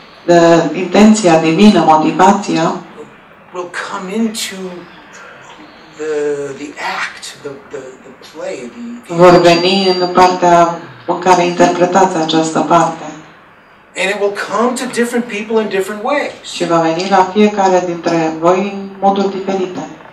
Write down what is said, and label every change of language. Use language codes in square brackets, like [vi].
[ro] De intenția divină, motivația. [en] Will come into the act, the play, the [ro] vor veni în partea în care interpretați această parte. [en] And it will come to different people in different ways. [ro] Și va veni la fiecare dintre voi în moduri diferite.